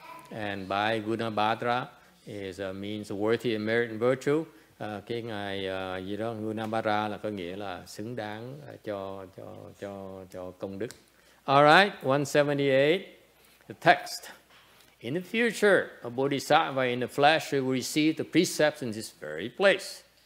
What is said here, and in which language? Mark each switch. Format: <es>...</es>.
<en>And by Gunabhadra is means worthy and merit and virtue.</en> <vi>Cái ngài gì đó Gunabhadra là có nghĩa là xứng đáng cho công đức.</vi> <en>All right, 178 the text. In the future, a bodhisattva in the flesh will receive the precepts in this very place.</en>